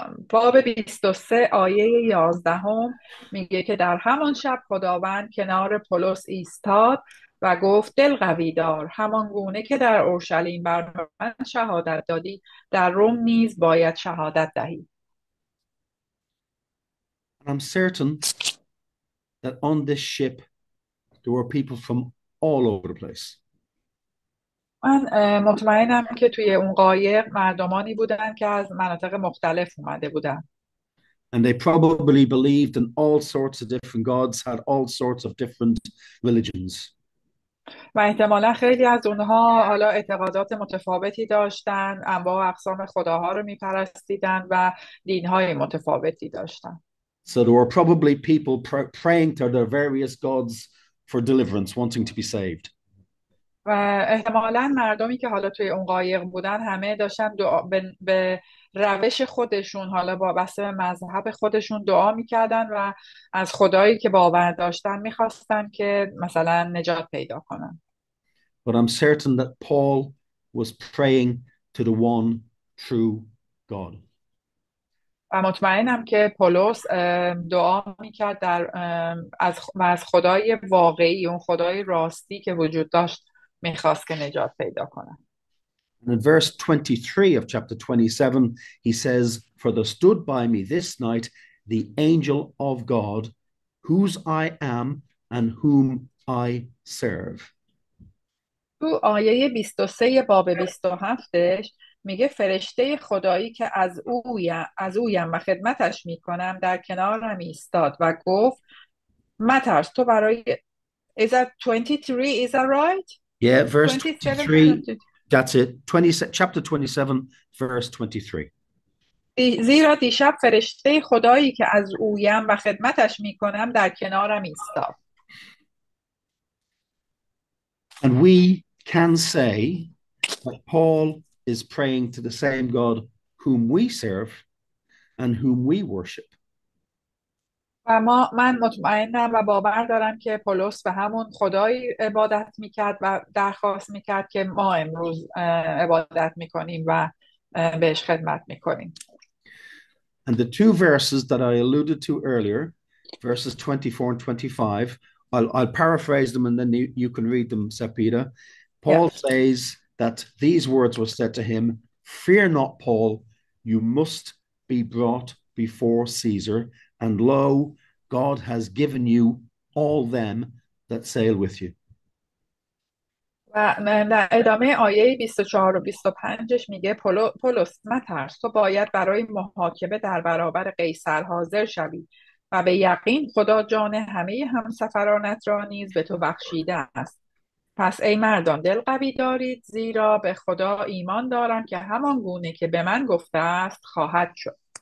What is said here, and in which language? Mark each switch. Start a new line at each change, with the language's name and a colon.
Persian: باب 23 آیه 11 هم میگه که در همان شب خداوند کنار پولس ایستاد و گفت دل قوی دار همان گونه که در اورشلیم بر من شهادت دادی در روم نیز باید شهادت دهی.
English: I'm certain that on this ship there were people from all over the place.
Persian: من مطمئنم که توی اون قایق مردمانی بودن که از مناطق مختلف اومده بودن.
English: And they probably believed in all sorts of different gods, had all sorts of different religions.
Persian: و احتمالا خیلی از اونها حالا اعتقادات متفاوتی داشتن، انواع و اقسام خداها رو میپرستیدن و دینهای متفاوتی داشتن.
English: So there were probably people praying to their various gods for deliverance, wanting to be saved.
Persian: و احتمالا مردمی که حالا توی اون قایق بودن همه داشتن دعا به روش خودشون حالا با بسته به مذهب خودشون دعا میکردن و از خدایی که باور داشتن میخواستن که مثلا نجات پیدا کنن.
English: But I'm certain that Paul was praying to the one true God.
Persian: و مطمئنم که پولس دعا میکرد در از و از خدای واقعی اون خدای راستی که وجود داشت میخواست که نجات پیدا کنه.
English: And in verse 23 of chapter 27, he says, for there stood by me this night the angel of God, whose I am and whom I serve.
Persian: تو آیه 23 باب 27ش میگه فرشته خدایی که از اویم و خدمتش میکنم در کنارم ایستاد و گفت مترس تو برای
English: is that 23 is that right? Yeah, verse 27, 23, that's it, 20, chapter 27, verse 23.
Persian: زیرا دیشب فرشته خدایی که از اویم و خدمتش می کنم در کنارم ایستاد.
English: And we can say that Paul is praying to the same God whom we serve and whom we worship.
Persian: اما من مطمئنم و باور دارم که پولس به همون خدای عبادت میکرد و درخواست میکرد که ما امروز عبادت میکنیم و بهش خدمت میکنیم.
English: And the two verses that I alluded to earlier, verses 24 and 25, I'll paraphrase them and then you can read them, Sepita. Paul yeah. says that these words were said to him, fear not, Paul, you must be brought before Caesar. And lo, God has given you all them that sail with you.
Persian: و در ادامه آیه 24 و 25ش میگه پولس مترس تو باید برای محاکمه در برابر قیصر حاضر شوی و به یقین خدا جان همه همسفرانت را نیز به تو بخشیده است. پس ای مردان دل قوی دارید زیرا به خدا ایمان دارم که همان گونه که به من گفته است خواهد شد.